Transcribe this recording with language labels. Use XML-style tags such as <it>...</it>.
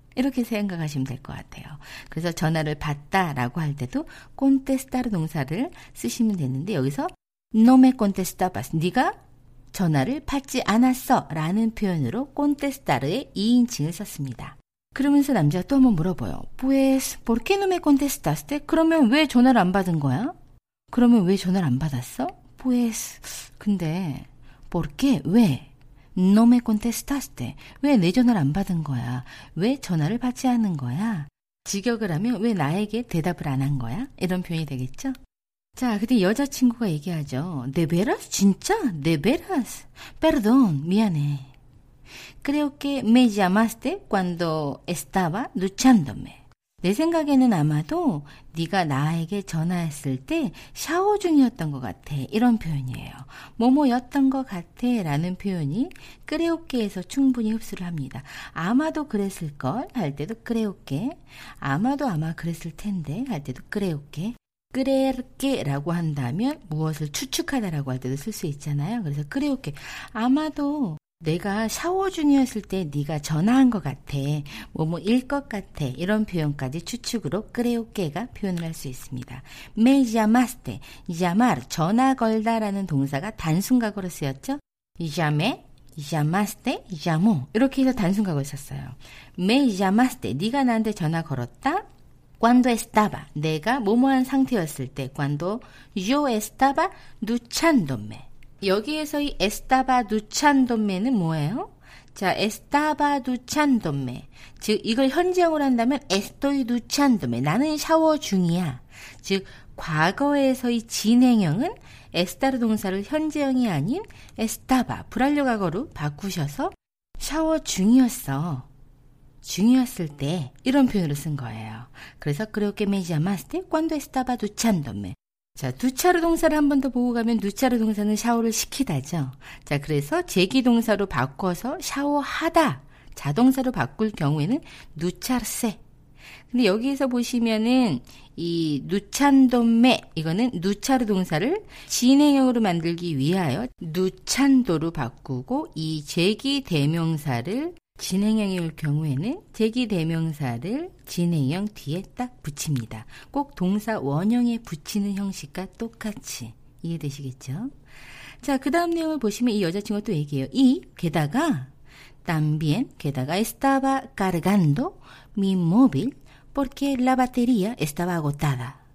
<ko>이렇게 생각하시면 될 것 같아요. 그래서 전화를 받다 라고 할 때도 contestar 동사를 쓰시면 되는데, 여기서</ko> <es>No me contestabas.</es> <ko>네가 전화를 받지 않았어. 라는 표현으로</ko> <es>contestar</es> <ko>의 2인칭을 썼습니다. 그러면서 남자가 또 한번 물어봐요.</ko> <es>Pues, ¿por qué no me contestaste?</es> <ko>그러면 왜 전화를 안 받은 거야? 그러면 왜 전화를 안 받았어?</ko> <es>Pues, 근데 ¿por qué? 왜? No me contestaste.</es> <ko>왜 내 전화를 안 받은 거야? 왜 전화를 받지 않은 거야? 직역을 하면 왜 나에게 대답을 안 한 거야? 이런 표현이 되겠죠? 자, 근데 여자친구가 얘기하죠.</ko> <es>¿De veras? 진짜? ¿De veras? Perdón, 미안해. Creo que me llamaste cuando estaba duchándome.</es> <ko>내 생각에는 아마도 네가 나에게 전화했을 때 샤워 중이었던 것 같아. 이런 표현이에요. 뭐뭐였던 것 같아 라는 표현이</ko> <es>creo que</es> <ko>에서 충분히 흡수를 합니다. 아마도 그랬을 걸 할 때도 creo que. 아마도 아마 그랬을 텐데 할 때도 creo que. 그렇게라고 한다면 무엇을 추측하다라고 할 때도 쓸 수 있잖아요. 그래서 그렇게 아마도 내가 샤워 중이었을 때 네가 전화한 것 같아. 뭐뭐 일 것 같아. 이런 표현까지 추측으로 그렇게가 표현을 할 수 있습니다.</ko> <es>Me llamaste. Llamar.</es> <ko>전화 걸다라는 동사가 단순각으로 쓰였죠.</ko> <es>Llamé. Llamaste. Llamó.</es> <ko>이렇게 해서 단순각을 썼어요.</ko> <es>Me llamaste.</es> <ko>네가 나한테 전화 걸었다.</ko> <es>Cuando estaba,</es> <ko>내가 뭐뭐한 상태였을 때,</ko> <es>cuando yo estaba duchándome.</es> <ko>여기에서 이 estaba duchándome는 뭐예요? 자,</ko> <es>estaba duchándome.</es> <ko>즉, 이걸 현재형으로 한다면</ko> <es>estoy duchándome.</es> <ko>나는 샤워 중이야. 즉, 과거에서의 진행형은 estar 동사를 현재형이 아닌 estaba, 불완료과거로 바꾸셔서 샤워 중이었어. 중요했을 때 이런 표현으로 쓴 거예요. 그래서 그렇게</ko> <es>me llamaste cuando estaba duchándome.</es> <ko>자, 두차로 동사를 한 번 더 보고 가면 두차로 동사는 샤워를 시키다죠. 자, 그래서 제기 동사로 바꿔서 샤워하다 자동사로 바꿀 경우에는 ducharse. 근데 여기에서 보시면은 이 duchándome 이거는 두차로 동사를 진행형으로 만들기 위하여 duchando로 바꾸고 이 제기 대명사를 진행형일 경우에는 제기대명사를 진행형 뒤에 딱 붙입니다. 꼭 동사 원형에 붙이는 형식과 똑같이 이해되시겠죠? 자, 그 다음 내용을 보시면 이 여자친구가 또 얘기해요. 이 게다가</ko> <es>también que다가 estaba cargando mi móvil porque la batería estaba agotada.</es>